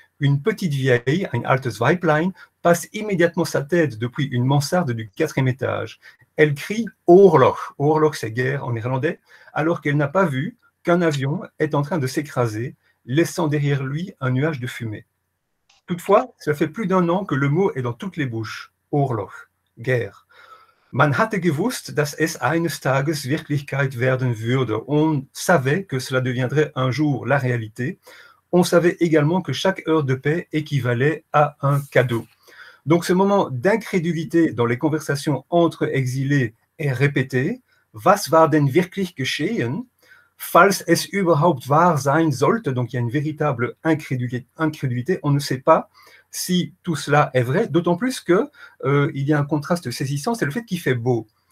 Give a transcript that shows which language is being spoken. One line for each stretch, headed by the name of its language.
French: Une petite vieille, une Altersweiblein, passe immédiatement sa tête depuis une mansarde du quatrième étage. Elle crie « Orloch ». Orloch, c'est guerre en irlandais, alors qu'elle n'a pas vu qu'un avion est en train de s'écraser, laissant derrière lui un nuage de fumée. Toutefois, cela fait plus d'un an que le mot est dans toutes les bouches. Orloch, guerre.
German: Man hatte gewusst, dass es eines Tages Wirklichkeit werden würde.
French: On savait que cela deviendrait un jour la réalité. On savait également que chaque heure de paix équivalait à un cadeau. Donc ce moment d'incrédulité dans les conversations entre exilés est répété.
German: Was war denn wirklich geschehen? Falls es überhaupt wahr sein sollte.
French: Donc il y a une véritable incrédulité. On ne sait pas si tout cela est vrai. D'autant plus qu'il y a un contraste saisissant, c'est le fait qu'il fait beau.